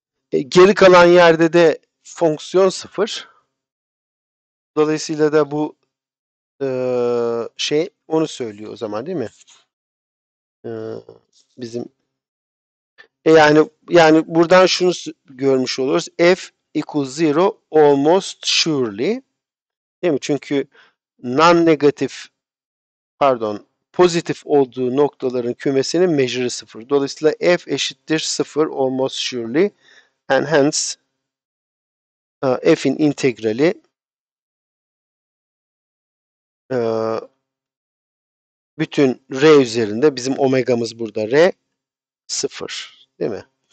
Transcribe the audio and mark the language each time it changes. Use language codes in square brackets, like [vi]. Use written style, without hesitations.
[tr] Geri kalan yerde de fonksiyon sıfır. Dolayısıyla da bu şey onu söylüyor o zaman değil mi? Bizim yani buradan şunu görmüş oluruz. [en] F equals zero almost surely. [tr] Değil mi? Çünkü non negatif pardon, pozitif olduğu noktaların kümesinin measure'ı sıfır. Dolayısıyla f eşittir sıfır [en] almost surely. And hence [tr] f'in integrali bütün r üzerinde bizim omegamız burada r sıfır. Değil mi?